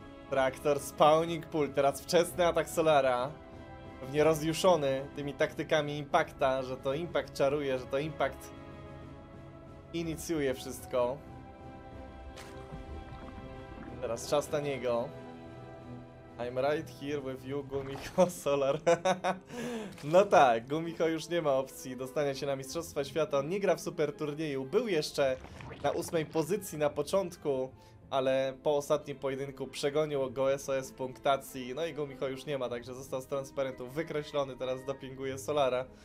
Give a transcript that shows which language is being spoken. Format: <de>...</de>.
<pl>Traktor Spawning Pool. Teraz wczesny atak Solara. pewnie rozjuszony tymi taktykami Impacta, że to Impact czaruje, że to Impact inicjuje wszystko. Teraz czas na niego.</pl> <en>I'm right here with you, Gumiho Solar.</en> <pl>No tak, Gumiho już nie ma opcji dostania się na Mistrzostwa Świata. On nie gra w super turnieju. Był jeszcze na 8 pozycji na początku, ale po ostatnim pojedynku przegonił go SOS w punktacji. No i Gumiho już nie ma, także został z transparentu wykreślony. Teraz dopinguje Solara.</pl>